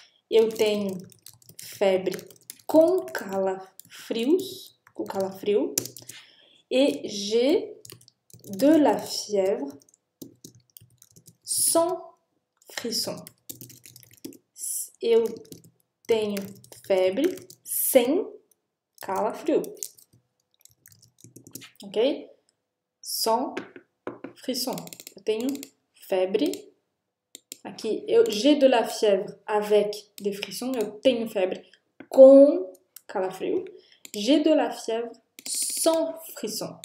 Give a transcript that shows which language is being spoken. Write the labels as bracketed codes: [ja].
[pt] Eu tenho febre com calafrios. O calafrio, e [fr] j'ai de la fièvre sans frisson. [pt] Eu tenho febre sem calafrio. Ok? [fr] Sans frisson. [pt] Eu tenho febre. Aqui, [fr] j'ai de la fièvre avec des frissons. [pt] Eu tenho febre com calafrio. [fr] J'ai de la fièvre sans frisson.